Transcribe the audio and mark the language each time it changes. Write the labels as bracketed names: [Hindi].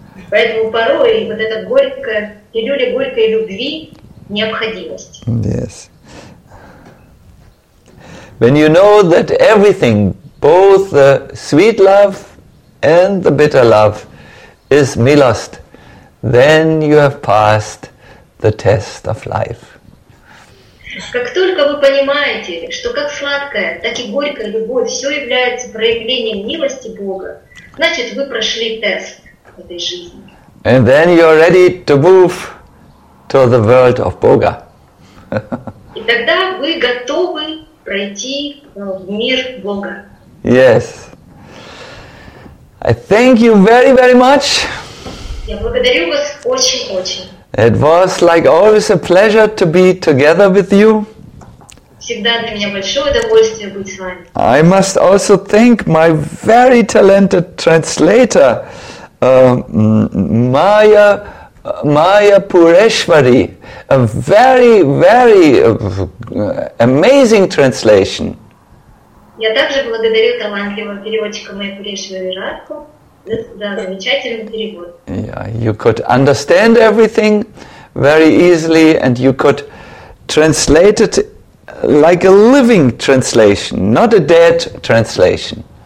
[Russian] Поэтому порой вот эта горькая, пилюля горькой любви – необходимость. [English] Yes. When you know that everything, both the sweet love and the bitter love, is milost, then you have passed the test of life. [Russian] Как только вы понимаете, что как сладкая, так и горькая любовь все является проявлением милости Бога, значит, вы прошли тест этой жизни. [English] And then you are ready to move to the world of Boga. [Russian] И тогда вы готовы пройти в мир Бога. [English] Yes. I thank you very, very much. [Russian] Я благодарю вас очень-очень. [English] It was like always a pleasure to be together with you. [Russian] Всегда для меня большое удовольствие быть с вами. [English] I must also thank my very talented translator, Maya Pureshwari, a very, very amazing translation. [Russian] Я также благодарю талантливого переводчика Майю Пурешвари Радху. [English] Yeah, you could understand everything very easily, and you could translate it like a living translation, not a dead translation.